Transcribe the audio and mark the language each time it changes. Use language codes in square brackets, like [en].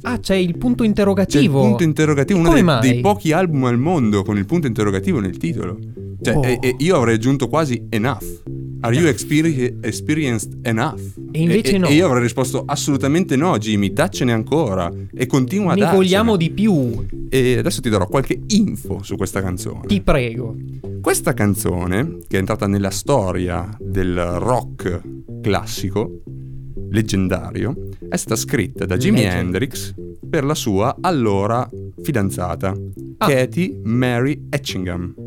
[it] Ah, c'è il punto interrogativo. C'è il punto interrogativo. E uno come mai? Dei pochi album al mondo con il punto interrogativo nel titolo. Cioè, io avrei aggiunto quasi enough. [en] Are you experienced enough? [it] E invece no. E io avrei risposto assolutamente no, Jimmy, daccene ancora. E continua a darcene. Ne vogliamo di più. E adesso ti darò qualche info su questa canzone. Ti prego. Questa canzone, che è entrata nella storia del rock classico, leggendario, è stata scritta da Jimi Hendrix per la sua allora fidanzata, Katie Mary Etchingham.